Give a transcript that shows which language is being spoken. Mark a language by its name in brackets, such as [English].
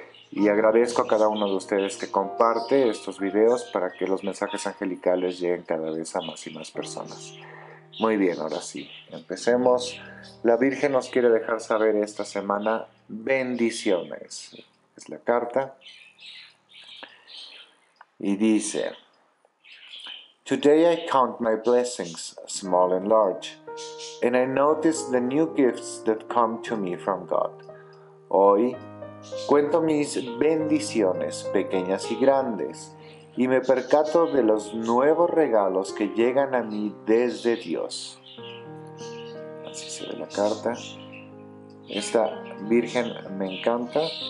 [Spanish] Y agradezco a cada uno de ustedes que comparte estos videos para que los mensajes angelicales lleguen cada vez a más y más personas. Muy bien, ahora sí, empecemos. La Virgen nos quiere dejar saber esta semana bendiciones. Es la carta. Y dice: [English] Today I count my blessings, small and large, and I notice the new gifts that come to me from God. [Spanish] Hoy cuento mis bendiciones, pequeñas y grandes, y me percato de los nuevos regalos que llegan a mí desde Dios. Así se ve la carta. Esta Virgen me encanta.